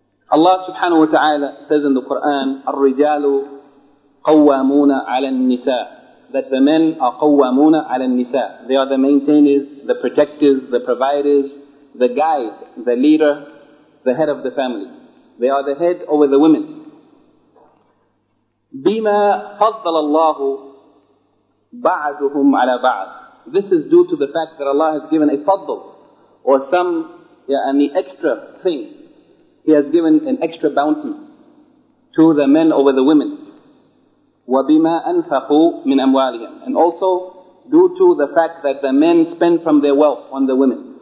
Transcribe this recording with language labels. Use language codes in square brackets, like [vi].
[en] Allah subhanahu wa ta'ala says in the Quran, [ar] الرجال قوامون على النساء, [en] that the men are [ar] قوامون على النساء. [en] They are the maintainers, the protectors, the providers, the guide, the leader, the head of the family. They are the head over the women. [ar] بما فضل الله بعضهم على بعض. [en] This is due to the fact that Allah has given a fadl, or some extra thing. He has given an extra bounty to the men over the women. [ar] وَبِمَا أَنْفَقُوا مِنْ أَمْوَالِهِمْ. [en] And also due to the fact that the men spend from their wealth on the women.